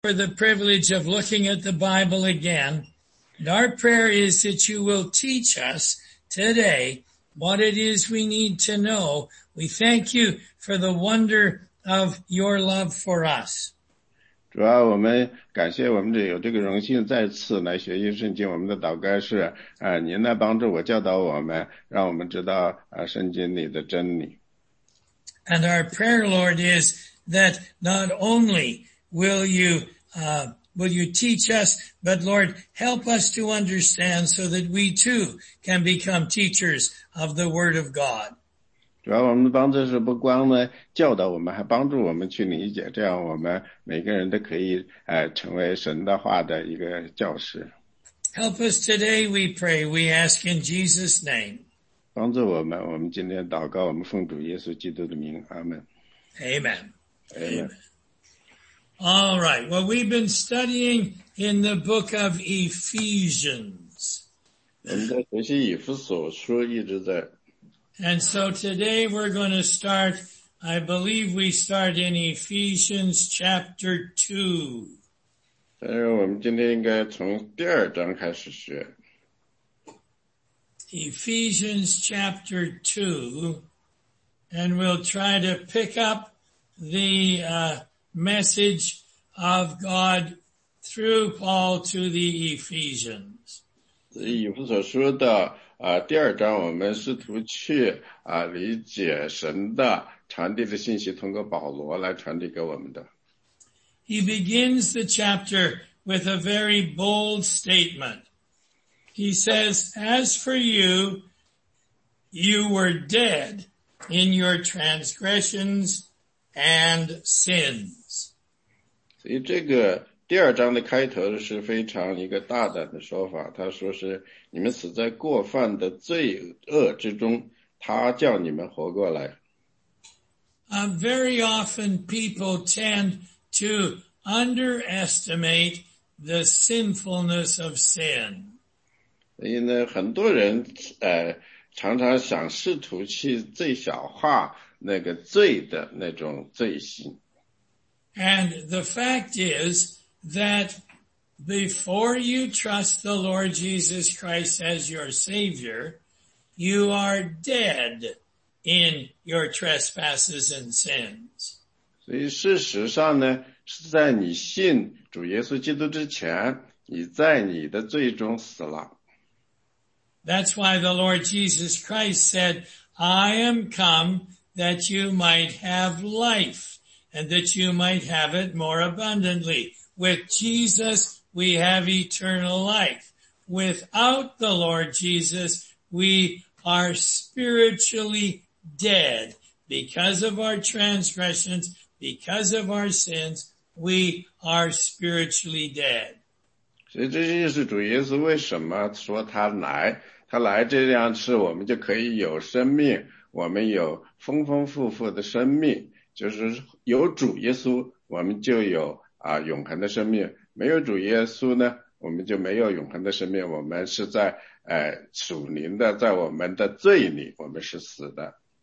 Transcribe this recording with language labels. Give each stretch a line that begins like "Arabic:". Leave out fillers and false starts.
English: for the privilege of looking at the Bible again. And our prayer is that you will teach us today what it is we need to know. We thank you for the wonder of your love for us.
Chinese: 主要我们感谢我们这有这个荣幸再次来学习圣经，我们的祷告是您来帮助我教导我们，让我们知道圣经里的真理。
English: And our prayer, Lord, is that not only will you teach us, but Lord, help us to understand so that we too can become teachers of the Word of God.
Chinese: 主要我们的帮助是不光呢教导我们，还帮助我们去理解，这样我们每个人都可以成为神的话的一个教师。
English: Help us today, we pray, we ask in Jesus' name.
Chinese: 帮助我们，我们今天祷告，我们奉主耶稣基督的名，阿门。
English: Amen. Amen. All right. Well, we've been studying in the book of Ephesians.
Chinese: 我们在学习以弗所书，一直在。
English: And so today we're going to start, I believe we start in Ephesians chapter 2.
Chinese: 但是我们今天应该从第二章开始学。
English: Ephesians chapter 2, and we'll try to pick up the message of God through Paul to the Ephesians.
Chinese: 以弗所书的第二章，我们试图去理解神的传递的信息，通过保罗来传递给我们的。
English: He begins the chapter with a very bold statement. He says, "As for you, you were dead in your transgressions and sins."
Chinese: 所以这个第二章的开头是非常一个大胆的说法，他说是你们死在过犯的罪恶之中，他叫你们活过来。
English: Very often people tend to underestimate the sinfulness of sin.
Chinese: 所以呢，很多人常常想试图去最小化那个罪的那种罪行。
English: And the fact is,that before you trust the Lord Jesus Christ as your Savior, you are dead in your trespasses and sins.
Chinese: 所以事实上呢，是在你信主耶稣基督之前，你在你的罪中死了。
English: That's why the Lord Jesus Christ said, "I am come that you might have life, and that you might have it more abundantly." With Jesus, we have eternal life. Without the Lord Jesus, we are spiritually dead. Because of our transgressions, because of our sins, we are spiritually dead.
Chinese: 所以这就是主耶稣为什么说他来，他来这样是我们就可以有生命，我们有丰丰富富的生命，就是有主耶稣，我们就有永恒的生命，没有主耶稣呢，我们就没有永恒的生命，我们是在属灵的，在我们的罪里，我们是死的。